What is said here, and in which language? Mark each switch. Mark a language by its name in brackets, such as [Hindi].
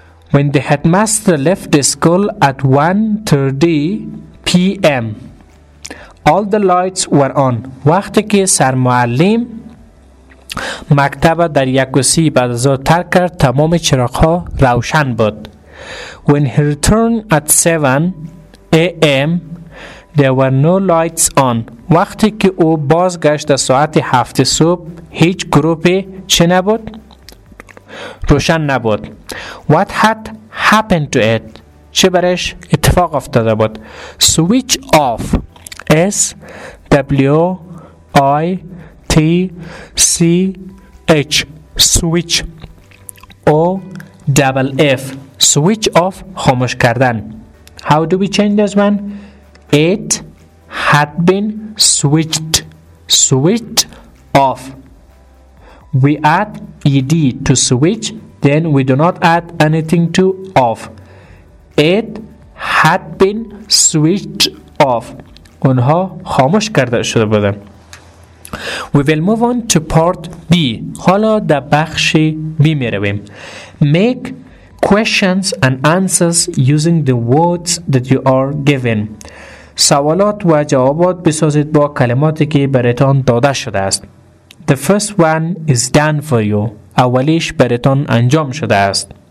[English] When the headmaster left the school at 1:30 p.m. all the lights were on. [Persian] وقتی که سرمعلم مکتب در 1:30 بعد از ظهر ترک کرد تمام چراغ ها روشن بود. [English] When he returned at 7 a.m. there were no lights on. [Persian] وقتی که او بازگشت در ساعت 7 صبح هیچ گروهی چه نبود؟ روشن نبود. [English] What had happened to it? [Persian] چه برش اتفاق افتاده بود؟ [English] Switch off. S W I T C H. Switch. O double F. Switch off. خاموش کردن. How do we change this one? It had been switched. Switch off. We add ed to switch, then we do not add anything to off. It had been switched off. [Persian] اونها خاموش کرده شده بودن. [English] We will move on to part B. [Persian] حالا در بخش B می رویم. [English] Make questions and answers using the words that you are given. [Persian] سوالات و جوابات بسازید با کلماتی که برتان داده شده است. [English] The first one is done for you. [Persian] اولیش برتان انجام شده است.